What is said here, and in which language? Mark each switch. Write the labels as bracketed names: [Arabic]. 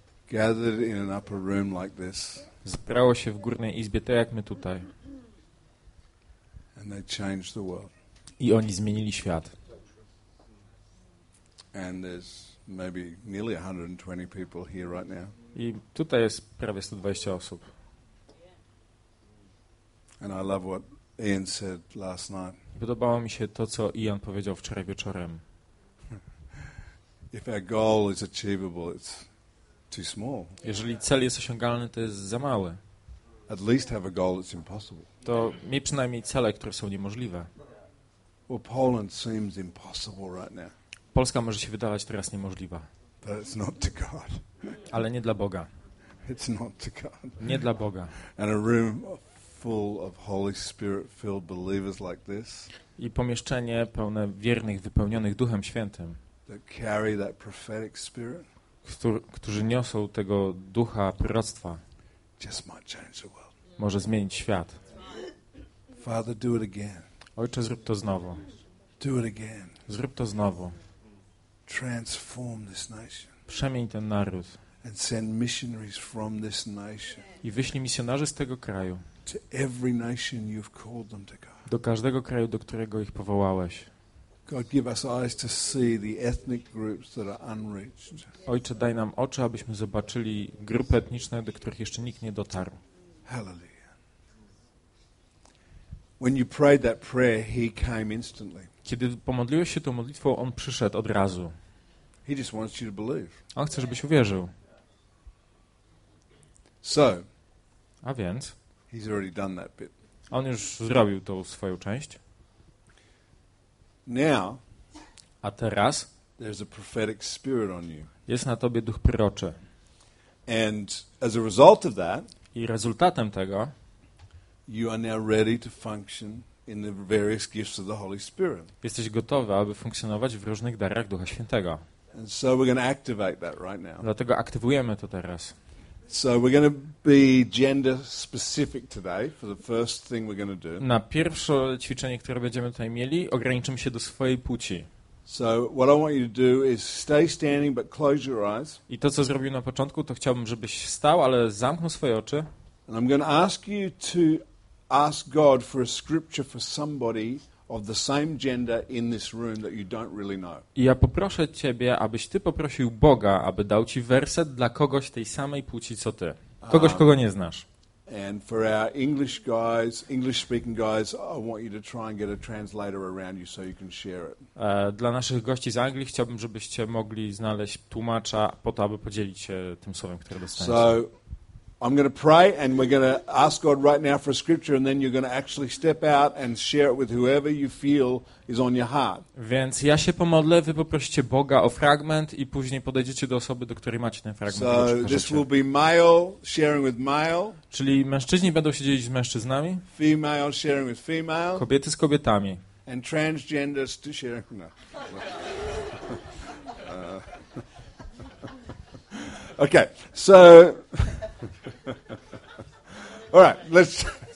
[English] Gathered in an upper room like this. [Polish] Zebrało się w górnej izbie, tak jak my tutaj. [English] And they changed the world. [Polish] I oni zmienili świat. [English] And there's maybe nearly 120 people here right now. [Polish] I tutaj jest prawie 120 osób. [English] And I love what Ian said last night. [Polish] Podobało mi się to, co Ian powiedział wczoraj wieczorem. [English] If our goal is achievable, it's too small. [Polish] Jeżeli cel jest osiągalny, to jest za mały. [English] At least have a goal that's impossible. [Polish] To miej przynajmniej cele, które są niemożliwe. [English] Well, Poland seems impossible right now. [Polish] Polska może się wydawać teraz niemożliwa. [English] But it's not to God. [Polish] Ale nie dla Boga. [English] It's not to God. [Polish] Nie dla Boga. [English] And a room full of Holy Spirit filled believers like this. [Polish] I pomieszczenie pełne wiernych wypełnionych Duchem Świętym. [English] That carry that prophetic spirit. [Polish] Którzy niosą tego ducha proroctwa. [English] Just might change the world. [Polish] Może zmienić świat. [English] Father, do it again. [Polish] Ojcze, zrób to znowu. [English] Do it again. [Polish] Zrób to znowu. [English] Transform this nation. [Polish] Przemień ten naród. [English] And send missionaries from this nation. [Polish] I wyślij misjonarzy z tego kraju. [English] To every nation you've called them to go. [Polish] Do każdego kraju, do którego ich powołałeś. [English] God, give us eyes to see the ethnic groups that are unreached. [Polish] Ojcze, daj nam oczy, abyśmy zobaczyli grupy etniczne, do których jeszcze nikt nie dotarł. [English] Hallelujah. When you prayed that prayer, he came instantly. [Polish] Kiedy pomodliłeś się tą modlitwą, on przyszedł od razu. [English] He just wants you to believe. [Polish] On chce, żebyś uwierzył. [English] So. [Polish] A więc. [English] He's already done that bit. [Polish] On już zrobił tą swoją część. [English] Now, [Polish] a teraz [English] there's a prophetic spirit on you. [Polish] Jest na tobie duch proroczy. [English] And as a result of that, [Polish] i rezultatem tego, [English] you are now ready to function in the various gifts of the Holy Spirit. [Polish] Jesteś gotowy, aby funkcjonować w różnych darach Ducha Świętego. [English] And so we're going to activate that right now. [Polish] Dlatego aktywujemy to teraz. [English] So we're going to be gender specific today for the first thing we're going to do. [Polish] Na pierwsze ćwiczenie, które będziemy tutaj mieli, ograniczymy się do swojej płci. [English] So what I want you to do is stay standing but close your eyes. [Polish] I to, co zrobił na początku, to chciałbym, żebyś stał, ale zamknął swoje oczy. [English] And I'm going to ask you to ask God for a scripture for somebody of the same gender in this room that you don't really know. [Polish] I ja poproszę ciebie, abyś ty poprosił Boga, aby dał ci werset dla kogoś tej samej płci co ty. Kogoś, kogo nie znasz. [English] And for our English guys, English speaking guys, I want you to try and get a translator around you so you can share it. [Polish] Dla naszych gości z Anglii chciałbym, żebyście mogli znaleźć tłumacza po to, aby podzielić się tym słowem, które dostaniecie. [English] So I'm going to pray and we're going to ask God right now for a scripture and then you're going to actually step out and share it with whoever you feel is on your heart. [Polish] Więc ja się pomodlę, wy poprosicie Boga o fragment i później podejdziecie do osoby, do której macie ten fragment. [English] So this will be male sharing with male. [Polish] Czyli mężczyźni będą się dzielić z mężczyznami. [English] Female sharing with female. [Polish] Kobiety z kobietami. [English] And transgenders to share. No. Okay, so all right, let's